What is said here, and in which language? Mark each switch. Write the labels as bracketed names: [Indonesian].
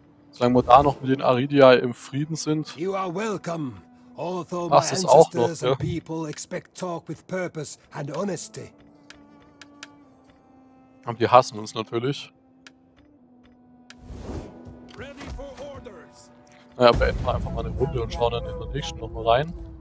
[German] Solange wir da noch mit den Aridia im Frieden sind. [English] You are welcome. Although my ancestors and people expect talk with purpose and honesty. [German] Und die hassen uns natürlich. [English] Ready for orders. [German] Naja, beenden wir einfach mal eine Runde und schauen dann in der nächsten nochmal rein.